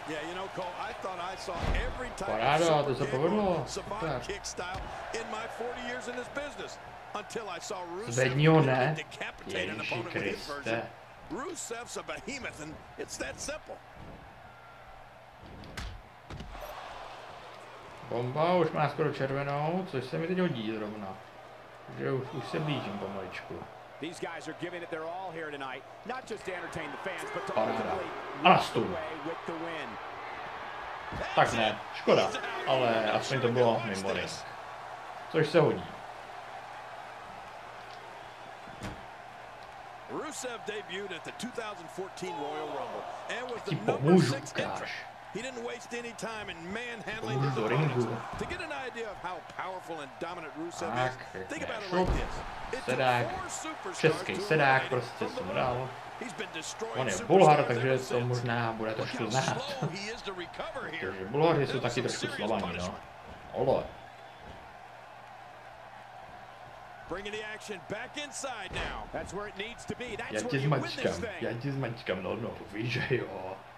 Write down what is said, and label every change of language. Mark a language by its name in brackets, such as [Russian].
[English] Yeah, you know, Cole, I thought I saw every type of super kick style in my 40 years in this business until I saw Rusev decapitate an opponent with inversion. Rusev's a behemoth, and it's that simple. [Czech] Bomba už má skoro červenou, což se mi teď hodí zrovna. Že už se blížím pomaličku. [English] These guys are giving it their all here tonight, not just to entertain the fans, but to ultimately win the win. [Czech] Tak ne, škoda, ale aspoň to bylo mimo risk. Což se hodí. [English] Rusev debuted at the 2014 Royal Rumble and was the number 6 entrant. He didn't waste any time in manhandling his opponents. To get an idea of how powerful and dominant Rusev is, think about it like this. It's a four superstars to a man from the world. He's been destroyed on [Czech] Bulhar, takže to možná bude trošku znát. Protože Bulhary jsou taky trošku slovaní, no. Olo. [English] Bringing the action back inside now. That's where it needs to be. That's where you win this thing. [Czech] Já ti zmačkám, no, no, víš, že jo.